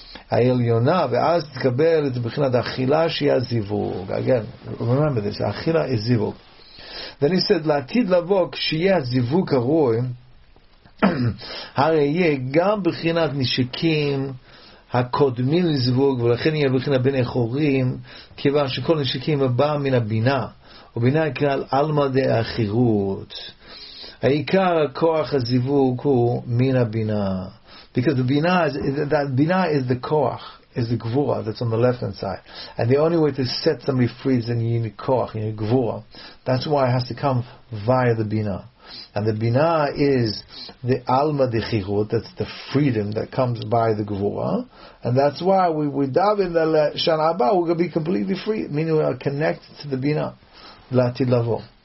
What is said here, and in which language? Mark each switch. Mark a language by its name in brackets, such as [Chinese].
[Hebrew] העליונה, ואז תקבל את בחינת האכילה שהיא הזיווג. [English] Again, remember this, [Hebrew] האכילה היא זיווג. [English] Then he said, [Hebrew] לעתיד לבוא, כשיהיה הזיווג הרוי, הרי יהיה גם בחינת נשקים הקודמים לזיווג, ולכן יהיה בחינת בני חורים, כיוון שכל נשקים הבא מן הבינה, ובינה כלל על מדי החירות. העיקר הכוח הזיווג הוא מן הבינה. [English] Because the bina is that bina is the koach, is the gvura that's on the left hand side, and the only way to set somebody free is in the koach, in the gvura. That's why it has to come via the bina, and the bina is the [Aramaic] alma de chirut, [English] that's the freedom that comes by the gvura, and that's why we daven the shana haba, we're going to be completely free, meaning we are connected to the bina, latid lavo.